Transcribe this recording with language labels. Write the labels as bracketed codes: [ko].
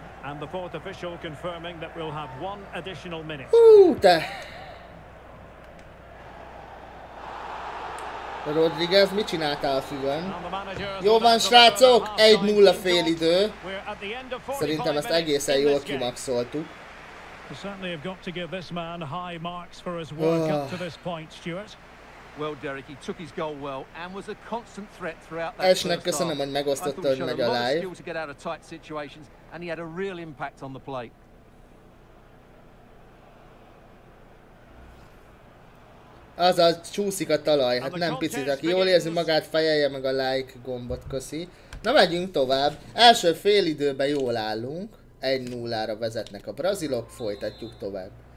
[en] And the fourth official confirming that we'll have one additional minute. [hu] Húte! Rodriguez, mit csináltál a fügön? Jó van, srácok! 1-0 fél idő. Szerintem ezt egészen jól kimaxoltuk. [en] Certainly have got to give this man high marks for his work up to this point, Stuart. Well, Derek, he took his goal well and was a constant threat throughout that first half. [hu] Köszönöm, hogy megosztottad meg a live. [en] To get out of tight situations and he had a real impact on the play. [hu] Azaz, csúszik a talaj, hát nem picit, aki jól érzi magát, fejelje meg a like gombot, köszi. Na, megyünk tovább. Első fél időben jól állunk. 1-0-ra vezetnek a brazilok, folytatjuk tovább.